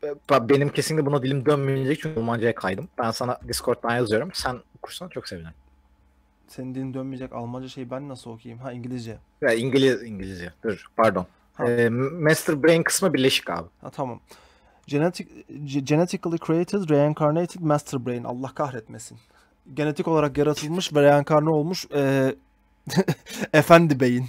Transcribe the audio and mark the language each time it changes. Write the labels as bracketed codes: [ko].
[tr] Benim kesinlikle buna dilim dönmeyecek çünkü Almanca'ya kaydım. Ben sana Discord'dan yazıyorum. Sen okursan çok sevinirim. Senin dilin dönmeyecek Almanca şeyi ben nasıl okuyayım? Ha İngilizce. Ya, İngilizce. Dur. Pardon. Master Brain kısmı birleşik abi. Ha tamam. [en] Genetically created, reincarnated Master Brain. [tr] Allah kahretmesin. Genetik olarak yaratılmış ve reenkarnı olmuş efendi beyin.